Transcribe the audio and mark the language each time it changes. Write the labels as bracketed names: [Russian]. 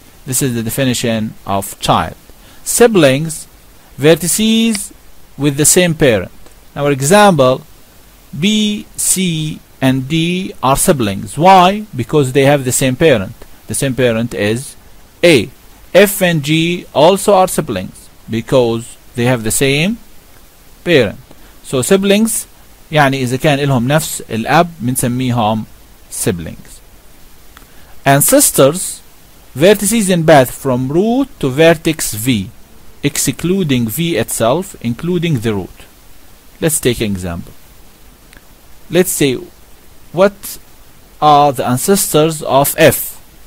[English] This is the definition of child. Siblings, vertices with the same parent. Our example, B, C, and D are siblings. Why? Because they have the same parent. The same parent is A. F and G also are siblings because they have the same parent. [Arabic] So siblings, يعني إذا كان إلهم نفس الأب منسميهم siblings. [English] And sisters, vertices in path from root to vertex V, excluding V itself, including the root. Let's take an example. Let's say, what are the ancestors of F?